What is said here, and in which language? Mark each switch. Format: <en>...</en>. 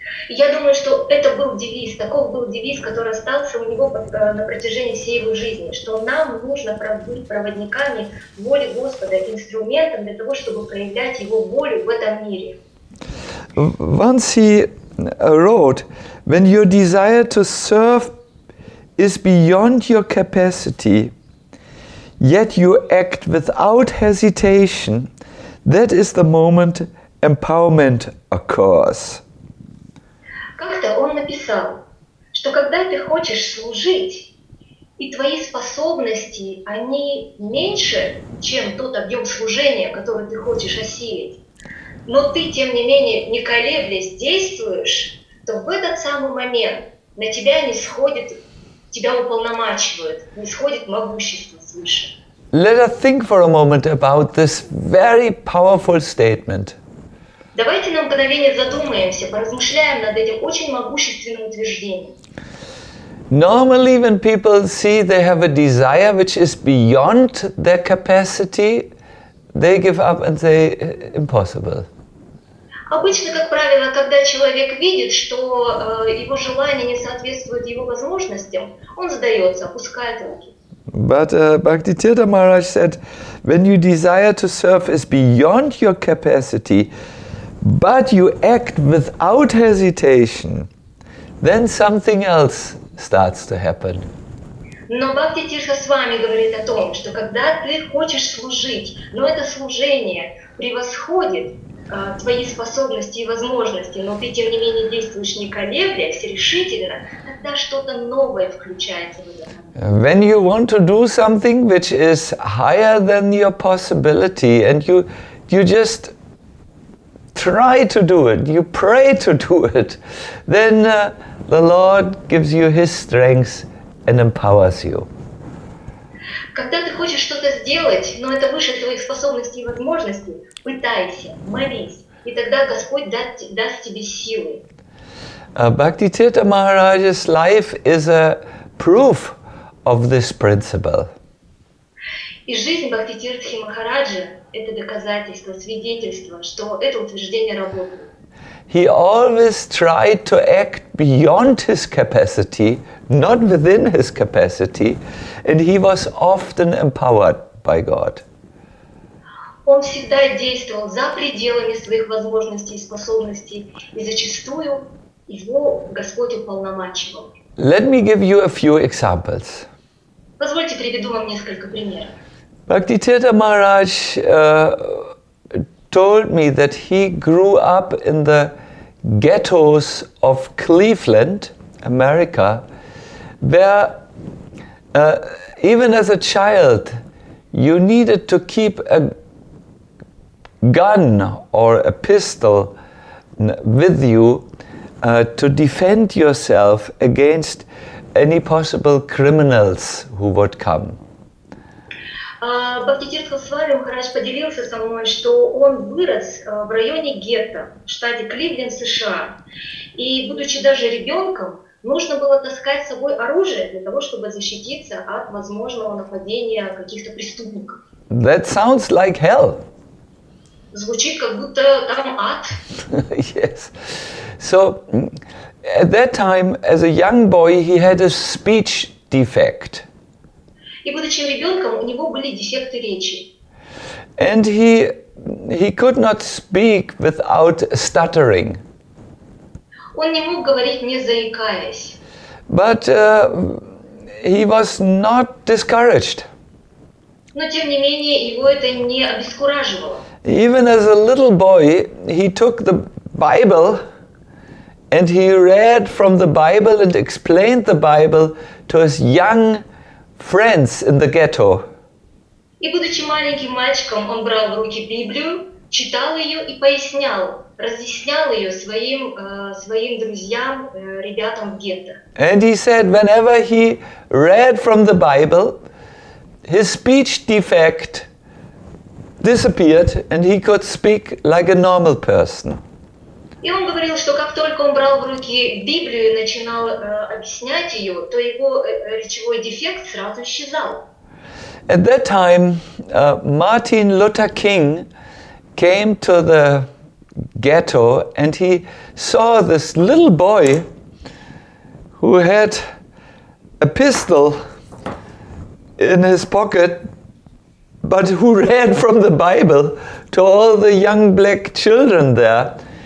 <ru>Я думаю, что это был девиз, такой был девиз, который остался у него на протяжении всей его жизни, что нам нужно быть проводниками воли Господа, инструментом для того, чтобы проявлять его волю в этом мире.</ru> <en>Once he wrote, when your desire to serve is beyond your capacity, yet you act without hesitation, that is the moment empowerment occurs.</en> <ru>Как-то он написал, что когда ты хочешь служить, и твои способности, они меньше, чем тот объем служения, который ты хочешь осилить, но ты, тем не менее, не колеблясь, действуешь, то в этот самый момент на тебя нисходит, тебя уполномачивают, нисходит могущество свыше.</ru> <en>Let us think for a moment about this very powerful statement.</en> <ru>Давайте на мгновение задумаемся, поразмышляем над этим очень могущественным утверждением.</ru> <en>Normally, when people see they have a desire which is beyond their capacity, they give up and say, impossible.</en> <ru>Обычно, как правило, когда человек видит, что его желание не соответствует его возможностям, он сдается, опускает руки.</ru> <en>But Bhaktisiddhanta Maharaj said, when you desire to serve is beyond your capacity, but you act without hesitation, then something else starts to happen.</en> <ru>Но Бхакти Тирха с вами говорит о том, что когда ты хочешь служить, но это служение превосходит твои способности и возможности, но ты тем не менее действуешь не колеблясь, решительно, тогда что-то новое включается в это.</ru> <en>When you want to do something which is higher than your possibility, and you just try to do it, you pray to do it, then the Lord gives you His strength and empowers you.</en> <ru>Когда ты хочешь что-то сделать, но это выше твоих способностей и возможностей, пытайся, молись, и тогда Господь даст тебе силы.</ru> <en>Bhaktisiddhanta Maharaj's life is a proof of this principle.</en> <ru>И жизнь Бхакти Тиртхи Махараджи – это доказательство, свидетельство, что это утверждение работает.</ru> <en>He always tried to act beyond his capacity, not within his capacity, and he was often empowered by God.</en> <ru>Он всегда действовал за пределами своих возможностей и способностей, и зачастую его Господь уполномачивал.</ru> <en>Let me give you a few examples.</en> <ru>Позвольте приведу вам несколько примеров.</ru> <en>Bhaktisiddhanta Maharaj told me that he grew up in the ghettos of Cleveland, America, where even as a child, you needed to keep a gun or a pistol with you to defend yourself against any possible criminals who would come.</en> <ru>Бхакти Тиртха Свами Махарадж поделился со мной, что он вырос в районе гетто в штате Кливленд, США. И, будучи даже ребенком, нужно было таскать с собой оружие для того, чтобы защититься от возможного нападения каких-то преступников.</ru> <en>That sounds like hell.</en> <ru>Звучит, как будто там ад.</ru> <en>Yes. So, at that time, as a young boy, he had a speech defect.</en> <ru>И будучи ребенком, у него были дефекты речи.</ru> <en>And he could not speak without stuttering.</en> <ru>Он не мог говорить, не заикаясь.</ru> <en>But he was not discouraged.</en> <ru>Но тем не менее, его это не обескураживало.</ru> <en>Even as a little boy, he took the Bible and he read from the Bible and explained the Bible to his young friends in the ghetto.</en> <ru>И будучи маленьким мальчиком, он брал в руки Библию, читал ее и пояснял, разъяснял ее своим друзьям, ребятам в гетто.</ru> <en>And he said, whenever he read from the Bible, his speech defect disappeared and he could speak like a normal person.</en> <ru>И он говорил, что как только он брал в руки Библию и начинал объяснять ее, то его речевой дефект сразу исчезал.</ru> <en>At that time, Martin Luther King came to the ghetto and he saw this little boy who had a pistol in his pocket, but who read from the Bible to all the young black children there.</en>